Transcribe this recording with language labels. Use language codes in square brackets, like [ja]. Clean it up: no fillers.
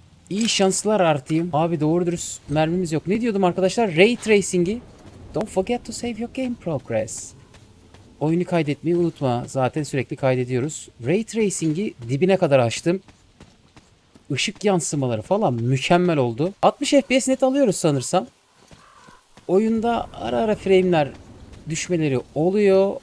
[tr] İyi şanslar Artyom. Abi doğru dürüst mermimiz yok. Ne diyordum arkadaşlar? Ray Tracing'i. [en] Don't forget to save your game progress. [tr] Oyunu kaydetmeyi unutma. Zaten sürekli kaydediyoruz. Ray Tracing'i dibine kadar açtım. Işık yansımaları falan mükemmel oldu. 60 FPS net alıyoruz sanırsam. Oyunda ara ara frame'ler düşmeleri oluyor.